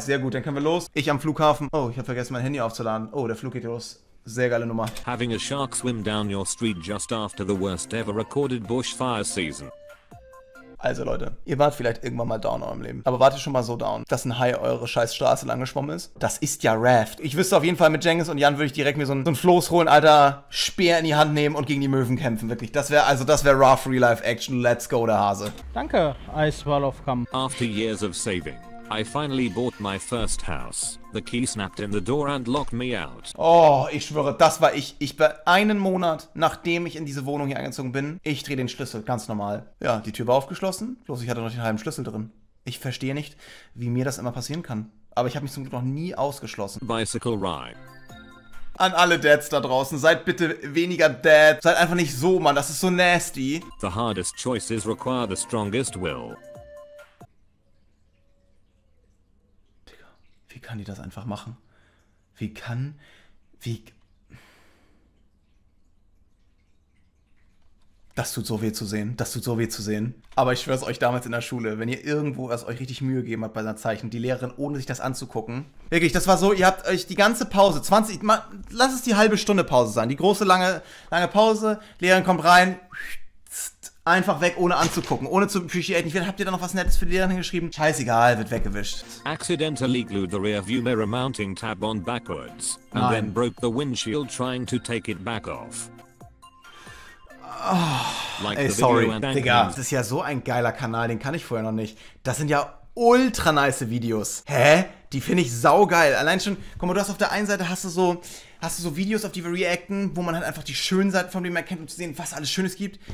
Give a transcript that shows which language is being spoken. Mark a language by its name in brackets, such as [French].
[German] Sehr gut, dann können wir los. Ich am Flughafen. Oh, ich habe vergessen, mein Handy aufzuladen. Oh, der Flug geht los. Sehr geile Nummer. [English] Having a shark swim down your street just after the worst ever recorded bushfire season. [German] Also Leute, ihr wart vielleicht irgendwann mal down in eurem Leben. Aber wart ihr schon mal so down, dass ein Hai eure scheiß Straße lang geschwommen ist? Das ist ja Raft. Ich wüsste auf jeden Fall, mit Jengis und Jan würde ich direkt mir so ein Floß holen, Alter. Speer in die Hand nehmen und gegen die Möwen kämpfen, wirklich. Das wäre Raft Real Life Action. [English] Let's go, [German] der Hase. Danke, Ice Wall of Come. [English] After years of saving. I finally bought my first house. The key snapped in the door and locked me out. [German] Oh, ich schwöre, das war ich. Ich war einen Monat, nachdem ich in diese Wohnung hier eingezogen bin, ich drehe den Schlüssel, ganz normal. Ja, die Tür war aufgeschlossen, bloß ich hatte noch den halben Schlüssel drin. Ich verstehe nicht, wie mir das immer passieren kann. Aber ich habe mich zum Glück noch nie ausgeschlossen. [English] Bicycle ride. [German] An alle Dads da draußen, seid bitte weniger Dad. Seid einfach nicht so, Mann, das ist so nasty. [English] The hardest choices require the strongest will. [German] Wie kann die das einfach machen? Wie kann... Wie... Das tut so weh zu sehen. Das tut so weh zu sehen. Aber ich schwöre es euch damals in der Schule, wenn ihr irgendwo was euch richtig Mühe gegeben habt bei einer Zeichnung, die Lehrerin, ohne sich das anzugucken. Wirklich, das war so, ihr habt euch die ganze Pause, 20... Mal, lass es die halbe Stunde Pause sein. Die große, lange, lange Pause. Lehrerin kommt rein. Einfach weg, ohne anzugucken, ohne zu appreciaten. Ich will, habt ihr da noch was Nettes für die Lehrerin geschrieben? Scheißegal, wird weggewischt. [English] Accidentally glued the rear view mirror mounting tab on backwards. [German] Nein. [English] And then broke the windshield trying to take it back off. Oh, like ey, the sorry, video Digga. Anchors. [German] Das ist ja so ein geiler Kanal, den kann ich vorher noch nicht. Das sind ja ultra nice Videos. Hä? Die finde ich saugeil. Allein schon, guck mal, du hast auf der einen Seite hast du so Videos, auf die wir reacten, wo man halt einfach die schönen Seiten von dem erkennt, um zu sehen, was alles Schönes gibt.